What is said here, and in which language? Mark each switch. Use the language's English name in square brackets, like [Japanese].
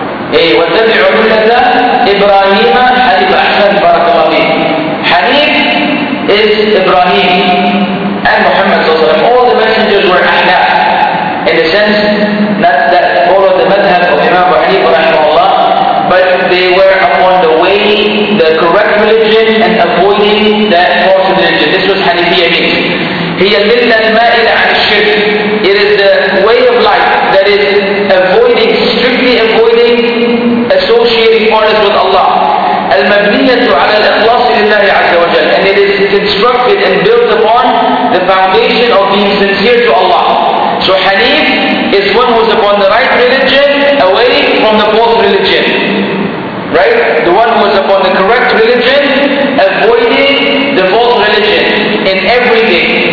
[English] Hey, [Arabic] وَاتَّبِعُ مِلَّةَ إِبْرَاهِيمَ حَنِيفَ أَحْسَنَ بَرَكَ اللَّهِ [English] Hanif is Ibrahim and Muhammad صلى الله عليه وسلم. All the messengers were Ahnaf. In a sense, not that followed the madhab of Imam Abu Hanifa rahimahullah, but they were upon the way, the correct religion, and avoiding that false religion. This was Hanifiyya means. [Arabic] هي الملة المائلة عن الشرك. [English] It is the way of life that is avoiding, strictly avoiding associating partners with Allah. [Arabic] المبنية على الإخلاص لله عز وجل. [English] And it is constructed and built upon the foundation of being sincere to Allah. So Hanif is one who is upon the right religion, away from the false religion. Right? The one who is upon the correct religion, avoiding the false religion in everything.